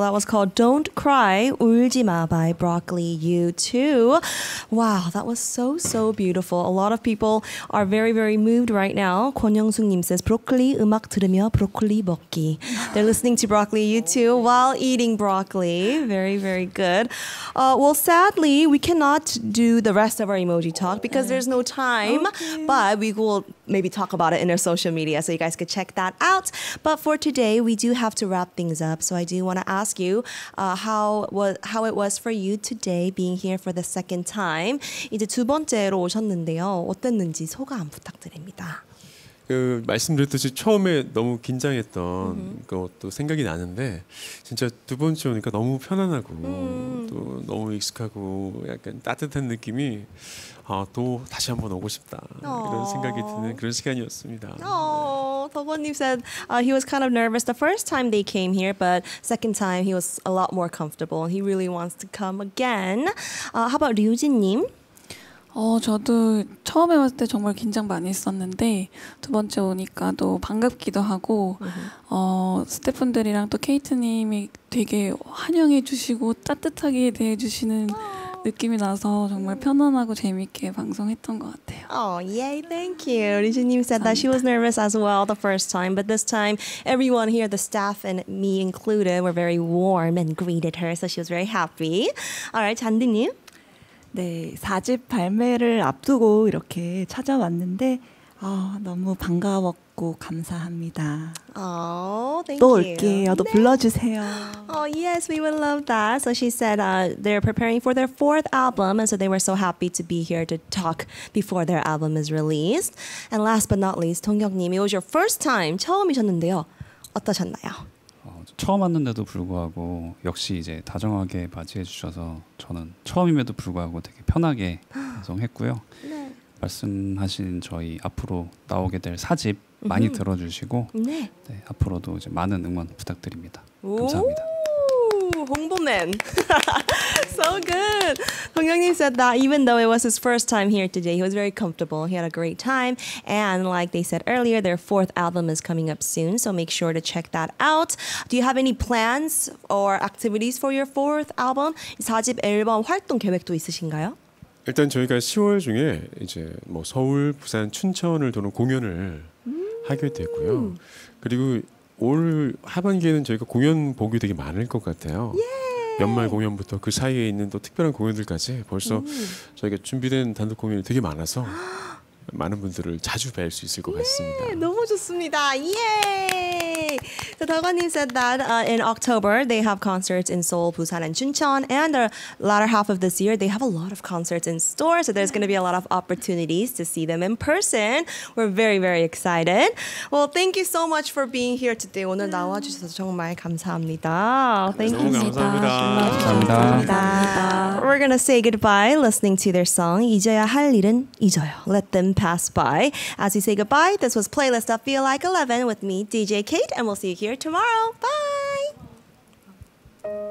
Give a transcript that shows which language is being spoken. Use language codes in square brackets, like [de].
[en] That was called Don't Cry, 울지 마 by Broccoli U2. Wow, that was so, so beautiful. A lot of people are very, very moved right now. [ko] 권영숙님 says, 브로콜리 음악 들으며 브로콜리 먹기. [en] They're listening to Broccoli U2 while eating broccoli. Very, very good. Well, sadly, we cannot do the rest of our emoji talk because there's no time, okay. But we will maybe talk about it in our social media so you guys could check that out. But for today, we do have to wrap things up. So I do want to ask you how it was for you today being here for the second time. [ko] 이제 두 번째로 오셨는데요. 어땠는지 소감 부탁드립니다. 그 말씀드렸듯이 처음에 너무 긴장했던 것도 생각이 나는데 진짜 두 번째 오니까 너무 편안하고 또 너무 익숙하고 약간 따뜻한 느낌이 또 다시 한번 오고 싶다 이런 생각이 드는 그런 시간이었습니다. [en] 도보님 said he was kind of nervous the first time they came here, but second time he was a lot more comfortable. He really wants to come again. How about 류진님? [ko] 저도 처음에 왔을 때 정말 긴장 많이 했었는데 두 번째 오니까 또 반갑기도 하고 스태프분들이랑 또 케이트님이 되게 환영해 주시고 따뜻하게 대해 주시는 느낌이 나서 정말 편안하고 재미있게 방송했던 것 같아요. [en] Oh, yay, thank you. 리진님 said that she was nervous as well the first time, but this time everyone here, the staff and me included, were very warm and greeted her, so she was very happy. All right, 잔디님. [ko] 네, 4집 발매를 앞두고 이렇게 찾아왔는데 너무 반가웠고 감사합니다. [en] Thank [ko] 또 [en] you. [ko] 올게요. 또 네. 불러주세요. [en] Yes, we would love that. So she said they're preparing for their fourth album and so they were so happy to be here to talk before their album is released. And last but not least, 동혁님, it was your first time, [ko] 처음이셨는데요. 어떠셨나요? 처음 왔는데도 불구하고 역시 이제 다정하게 맞이해 주셔서 저는 처음임에도 불구하고 되게 편하게 방송했고요. 네. 말씀하신 저희 앞으로 나오게 될 4집 많이 들어주시고 네. 네, 앞으로도 이제 많은 응원 부탁드립니다. 감사합니다. [en] 홍보맨. So good. 동혁님 said that even though it was his first time here today, he was very comfortable. He had a great time. And like they said earlier, their fourth album is coming up soon. So make sure to check that out. Do you have any plans or activities for your fourth album? [ko] 4집 앨범 활동 계획도 있으신가요? 일단 저희가 10월 중에 이제 뭐 서울, 부산, 춘천을 도는 공연을 하게 되고요. 그리고 올 하반기에는 저희가 공연 보기 되게 많을 것 같아요. 예! 연말 공연부터 그 사이에 있는 또 특별한 공연들까지 벌써 저희가 준비된 단독 공연이 되게 많아서 많은 분들을 자주 뵐 수 있을 것 같습니다. 네, 너무 좋습니다. 예! [en] So, 덕원님 said that in October, they have concerts in Seoul, Busan, and Chuncheon. And the latter half of this year, they have a lot of concerts in store. So, there's going to be a lot of opportunities to see them in person. We're very, very excited. Well, thank you so much for being here today. [ko] 오늘 나와주셔서 정말 감사합니다. [en] Thank you. [ko] 감사합니다. 감사합니다. [en] We're going to say goodbye listening to their song, 잊어야 할 일은 잊어요. Let them pass by. As we say goodbye, this was Playlist of Feel Like 11 with me, DJ Kate, and we'll see you here tomorrow. Bye!